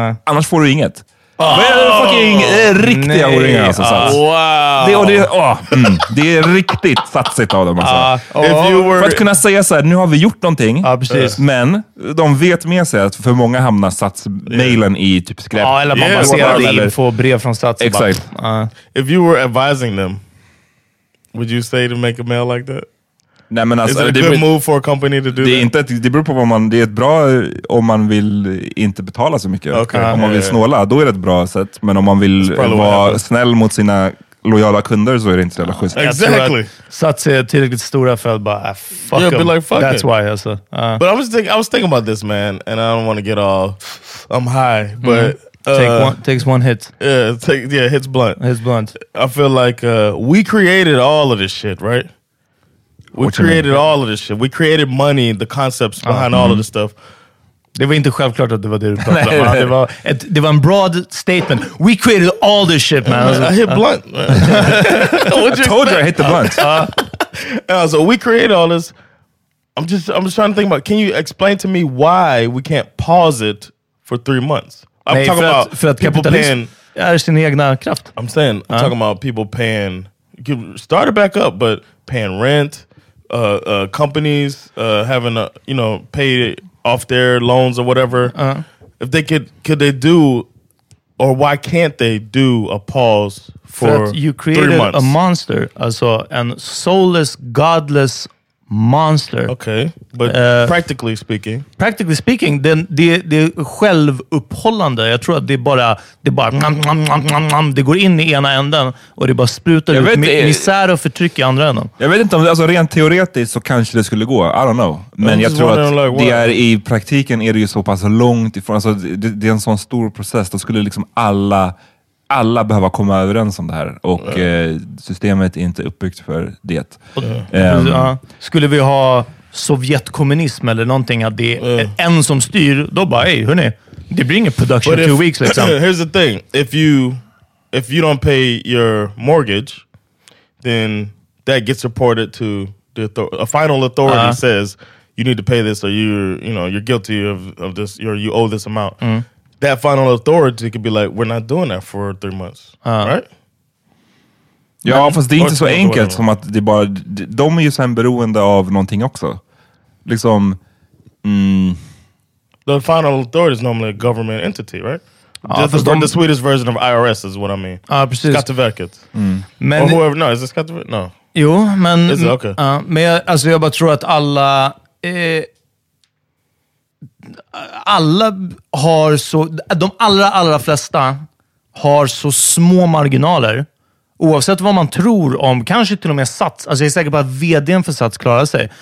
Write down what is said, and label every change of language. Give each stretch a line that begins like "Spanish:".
Swedish: Annars får du inget. Fucking riktiga oringar alltså, Sats. Wow. Det är riktigt satsigt av dem alltså. För att kunna säga så här, nu har vi gjort någonting. Men de vet med sig att för många hamnar Sats-mailen i typ skräp. Ja, eller man baserar det eller får brev från Sats. Exakt.
English: If you were advising them, would you say to make a mail like that?
Swedish: Nej, men alltså,
English: is it a good move for a company to do
Swedish: det? Det beror på vad man... Det är ett bra om man vill inte betala så mycket. Okay. Om man vill snåla, då är det ett bra sätt. Men om man vill vara snäll mot sina lojala kunder så är det inte så schysst.
English: Exactly.
Swedish: Sats är tillräckligt stora för att bara, fuck
English: them. Like, that's it. Why, alltså. But I was thinking about this, man. And I don't want to get all... I'm high, but... takes one hit. Hits blunt. Hits blunt. I feel like we created all of this shit, right? We what created all of this shit. We created money, the concepts behind all of this stuff.
Swedish: Det var inte självklart att det var det du pratade om. Det var en
English: broad statement. We created all this shit, man. I hit blunt, man. I told you I hit the blunt. So we created all this. I'm just trying to think about, can you explain to me why we can't pause it for 3 months? I'm
Swedish: Nej,
English: talking about
Swedish: för att kapitalism är sin egna kraft.
English: I'm saying, I'm talking about people paying, you can start it back up, but paying rent, companies having to, you know, pay off their loans or whatever. If they could they do, or why can't they do a pause for 3 months? You created a monster,
Swedish: alltså en
English: soulless, godless monster. Okay, but practically speaking, then
Swedish: det självuppehållande. Jag tror att det är bara nam, det går in i ena änden och det bara sprutar ut misär och förtryck i andra änden. Jag vet inte om, alltså rent teoretiskt så kanske det skulle gå.
English: I don't know.
Swedish: Men jag tror att like, det är i praktiken är det ju så pass långt ifrån. Alltså det är en sån stor process. Då skulle liksom alla behöver komma överens om det här och systemet är inte uppbyggt för det. Skulle vi ha sovjetkommunism eller någonting, att det är en som styr, då bara, hej, hörrni, det blir ingen
English: production 2 weeks
Swedish: liksom.
English: Here's the thing, if you if you don't pay your mortgage, then that gets reported to the a final authority says you need to pay this, or you're guilty of this, or you owe this amount. Mm. That final authority could be like, we're not doing that for 3 months, right?
Swedish: Ja, fast det är inte så enkelt som att det bara, de är ju sen beroende av någonting också. Liksom,
English: The final authority is normally a government entity, right? The Swedish version of IRS is what I mean.
Swedish: Ja, precis. Skatteverket. Mm.
English: Men, or whoever, no, is it Skatteverket? No.
Swedish: Jo, men...
English: Is it? Okay.
Swedish: Men alltså, jag bara tror att alla... alla har så... De allra flesta har så små marginaler... Oavsett vad man tror om, kanske till och med Sats. Alltså jag är säker på att vdn för Sats klarar sig.